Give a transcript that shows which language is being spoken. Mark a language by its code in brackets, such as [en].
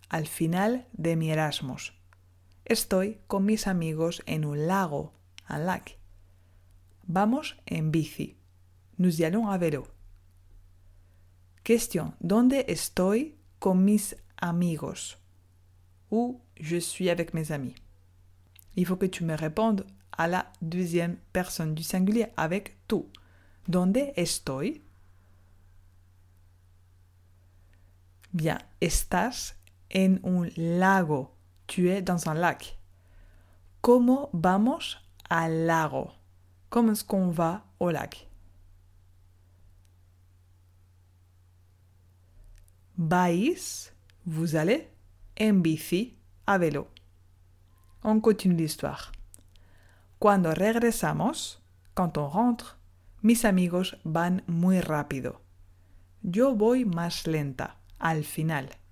[es] al final de mi Erasmus. Estoy con mis amigos en un lago, [fr] un lac. [es] Vamos en bici. [fr] Nous y allons à vélo. Question: [es] ¿dónde estoy con mis amigos? [fr] Où je suis avec mes amis? Il faut que tu me répondes à la deuxième personne du singulier avec tu. [es] ¿Dónde estoy? Bien, estás en un lago. [fr] Tu es dans un lac. [es] ¿Cómo vamos al lago? ¿Cómo es [fr] qu'on va au lac? Vais, vous allez, [es] en bici, [fr] a vélo. On continue l'histoire. [es] Cuando regresamos, [fr] quand on rentre, [es] mis amigos van muy rápido. Yo voy más lenta, al final.